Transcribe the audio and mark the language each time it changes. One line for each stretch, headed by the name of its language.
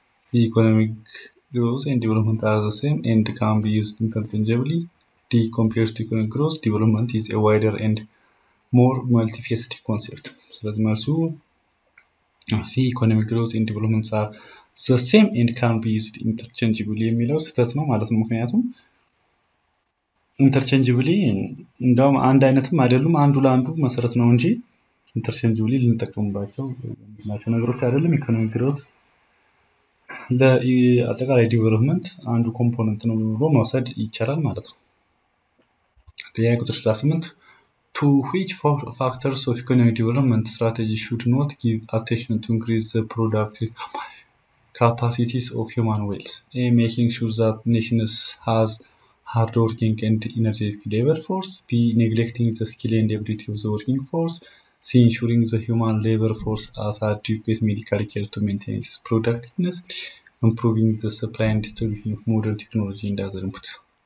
English: The economic growth and development are the same and can be used interchangeably. D, compared to economic growth, development is a wider and more multifaceted concept. So let me ask you, C, economic growth and development are the same and can be used interchangeably.
Amharic: የሚለው ስህተት ነው ማለት ነው። ምክንያቱም interchangeably እንደውም አንድ አይነትም አይደሉም፣ አንዱ ለአንዱ መሰረት ነው እንጂ interchangeably ልንጠቀምባቸው የምንችላቸው ነገሮች አይደለም። economic growth ለአጠቃላይ ዲቨሎፕመንት አንዱ ኮምፖነንት ነው ብሎ መውሰድ ይቻላል ማለት ነው። ጥያቄ ቁጥር 18
English: to which four factors of economic development strategy should not give attention to increase the productive capacities of human wealth. A, making sure that nations has hard working and energetic labor force. B, neglecting the skill and ability of the working force. C, ensuring the human labor force has adequate medical care to maintain its productiveness. Improving the supply and distribution of modern technology and other inputs.